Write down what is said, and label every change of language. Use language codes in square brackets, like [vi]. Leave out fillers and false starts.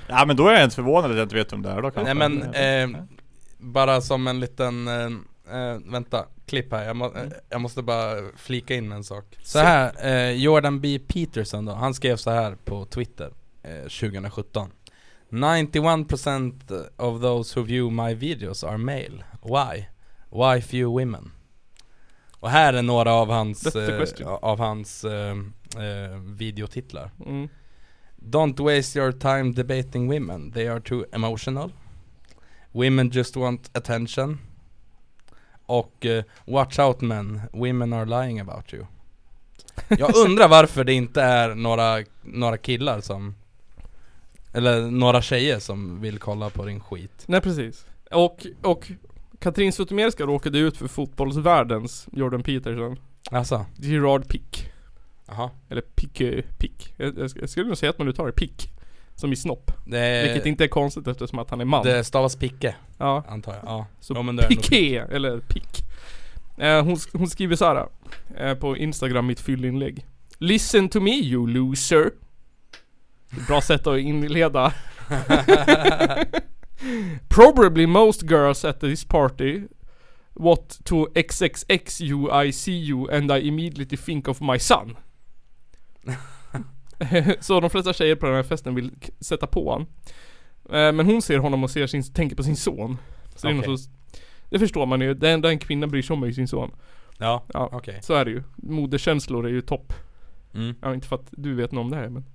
[sv] Ja, men då är jag inte förvånad att jag inte vet om det är då. Nej, men bara som en liten... vänta, klipp här. Jag måste bara flika in en sak. Så här, Jordan B. Peterson då, han skrev så här på Twitter 2017. [en] 91% of those who view my videos are male. Why? Why few women? [sv] Och här är några av hans videotitlar. [en] Mm. Don't waste your time debating women. They are too emotional. Women just want attention. Och watch out men, women are lying about you. [sv] Jag undrar varför det inte är några killar som, eller några tjejer som vill kolla på din skit. Nej, precis. Och Katrin Zytomierska råkade ut för fotbollsvärldens Jordan Peterson. Alltså, Gerard Pick. Aha. Eller Pick. Jag skulle nog säga att man uttalar Pick som i snopp. Det är, vilket inte är konstigt eftersom att han är man. Det stavas Picke. Ja, antar jag. Ja. Så ja, men Picke ändå... eller Pick. Hon skriver så här på Instagram, mitt fyllinlägg. [en] Listen to me you loser. [sv] Bra sätt att inleda. [en] Probably most girls at this party what to XXX you I see you and I immediately think of my son. [sv] Så de flesta tjejer på den här festen vill sätta på han. Men hon ser honom och ser sin, tänker på sin son. Så okay. Det förstår man ju. Det enda en kvinna bryr sig om är sin son. Ja, ja, okej. Okay. Så är det ju. Moderkänslor är ju topp. Mm. Ja, inte för att du vet någon om det här. Men...